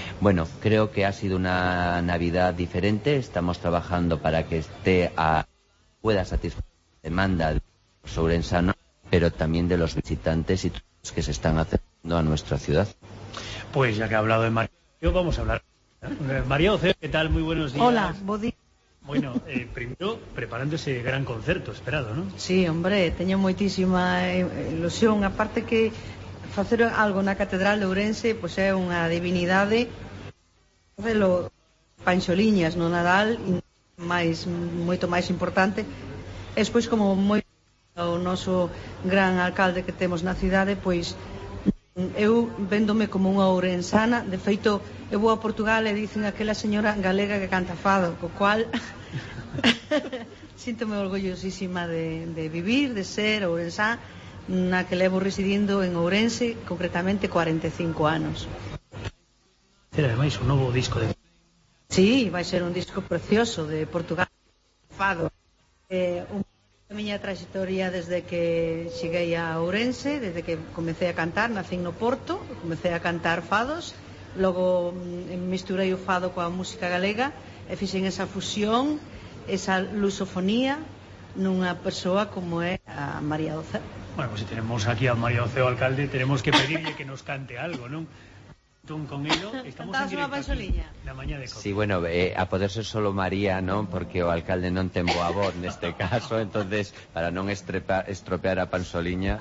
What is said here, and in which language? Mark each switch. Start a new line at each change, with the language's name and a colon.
Spanish: Bueno, creo que ha sido una Navidad diferente, estamos trabajando para que esté a pueda satisfacer la demanda de los ourensanos pero también de los visitantes y todos que se están acercando a nuestra ciudad. Pues ya que ha hablado de Mario, vamos a hablar. Mario, ¿qué tal? Muy buenos días. Hola, Bodi. Bueno, primero, preparando ese gran concerto esperado, ¿no?
Galician: Sí, hombre, teño moitísima ilusión. Aparte que facer algo na Catedral de Ourense, pois é unha divinidade. Facelo Panxoliñas no Nadal, máis, moito máis importante. E despois, como moi o noso gran alcalde que temos na cidade, pois eu véndome como unha ourensana, de feito, eu vou a Portugal e dicen aquela señora galega que canta fado, co cual sinto-me orgullosísima de vivir, de ser ourensá, na que levo residindo en Ourense, concretamente 45 anos. Será ademais un novo disco de... Sí, vai ser un disco precioso de Portugal, fado. A miña trayectoria desde que cheguei a Ourense, desde que comecei a cantar, nací no Porto, comecei a cantar fados, logo misturei o fado coa música galega e fixen esa fusión, esa lusofonía nunha persoa como é a María Oceo.
Spanish: Bueno, pues si tenemos aquí a María Oceo, alcalde, tenemos que pedirle que nos cante algo, non? Estamos en directo.
Galician: Sí, bueno, a poder ser solo María, non? Porque o alcalde non ten boa voz neste caso, entonces para non estropear a Panxoliña.